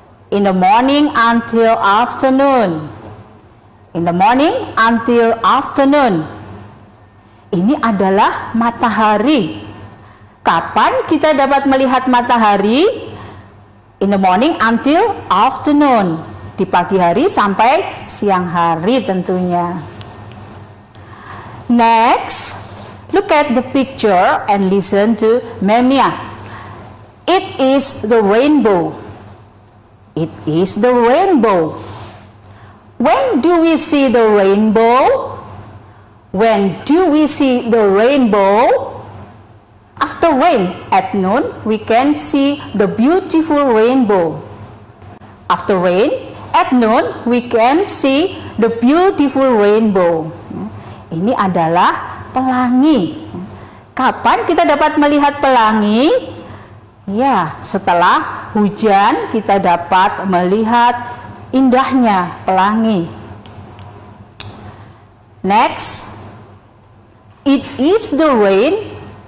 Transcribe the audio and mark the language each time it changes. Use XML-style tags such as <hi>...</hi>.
<en>In the morning until afternoon. In the morning until afternoon.</en> <id>Ini adalah matahari. Kapan kita dapat melihat matahari?</id> <en>In the morning until afternoon.</en> <id>Di pagi hari sampai siang hari tentunya.</id> <en>Next, look at the picture and listen to Memnia. It is the rainbow. It is the rainbow. When do we see the rainbow? When do we see the rainbow? After rain at noon, we can see the beautiful rainbow. After rain at noon, we can see the beautiful rainbow.</en> <id>Ini adalah pelangi. Kapan kita dapat melihat pelangi? Ya, setelah hujan kita dapat melihat indahnya pelangi.</id> <en>Next, it is the rain.</en>